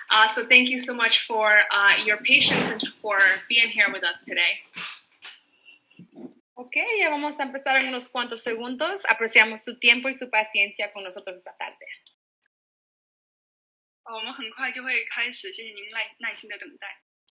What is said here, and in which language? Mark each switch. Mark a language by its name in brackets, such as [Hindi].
[English] So thank you so much for your patience and for being here with us today. [Spanish] Okay, ya vamos a empezar en unos cuantos segundos. Apreciamos su tiempo y su paciencia con nosotros esta tarde. [Chinese] 我们很快就会开始，谢谢您耐心的等待。